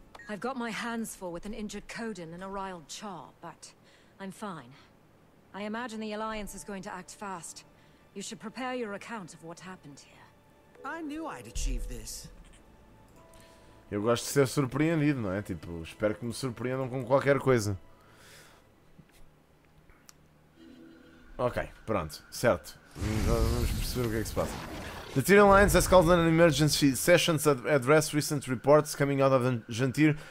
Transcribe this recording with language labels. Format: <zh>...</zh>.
<en>I've got my hands full with an injured Coden and a riled Char, but I'm fine. I imagine the Alliance is going to act fast. You should prepare your account of what happened here. I knew I'd achieve this.</en> <pt>Eu gosto de ser surpreendido, não é? Tipo, espero que me surpreendam com qualquer coisa. Ok, pronto. Certo. Vamos perceber o que é que se passa.</pt> <en>The Tyrian Alliance has called an emergency session to address recent reports coming out of the Gentir.</en>